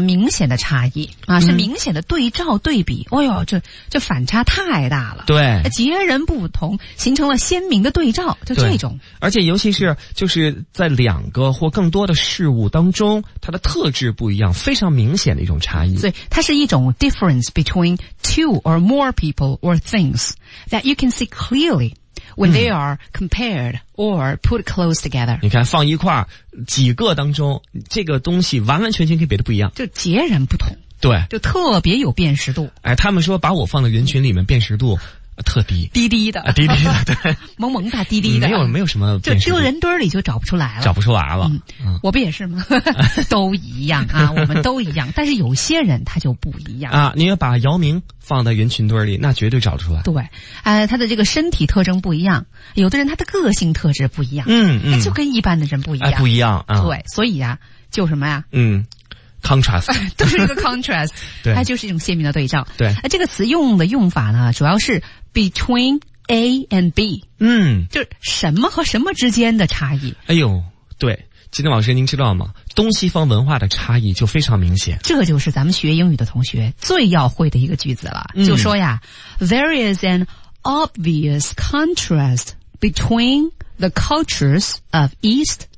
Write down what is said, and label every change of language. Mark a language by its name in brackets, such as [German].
[Chinese] 明显的差异啊，是明显的对照对比。嗯、哎呦，这反差太大了，对，截然不同，形成了鲜明的对照，就这种。而且尤其是就是在两个或更多的事物当中，它的特质不一样，非常明显的一种差异。所以它是一种 [English] difference between two or more people or things that you can see clearly. When they are compared or put close together. [Chinese] 你看放一块几个当中，这个东西完完全全跟别的不一样。就截然不同。对。就特别有辨识度。哎，他们说把我放在人群里面辨识度特低。低低的。低低的，对。萌萌大低低的。没有什么辨识度。就丢人堆里就找不出来了。找不出来了。嗯、我不也是吗？都一样啊，我们都一样。但是有些人他就不一样。啊，你要把姚明放在人群堆里，那绝对找得出来。对，他的这个身体特征不一样，有的人他的个性特质不一样。嗯嗯。那就跟一般的人不一样。不一样啊。对，所以啊，就什么呀？ [English] 嗯。contrast [Chinese] 都是一个 contrast 对，它就是一种鲜明的对照。对，这个词用法呢，主要是 [English] between A and B， [Chinese] 嗯，就是什么和什么之间的差异。哎呦，对，今天老师您知道吗？东西方文化的差异就非常明显。这就是咱们学英语的同学最要会的一个句子了，嗯、 [English] 就说呀 ，There is an obvious contrast between the cultures of East。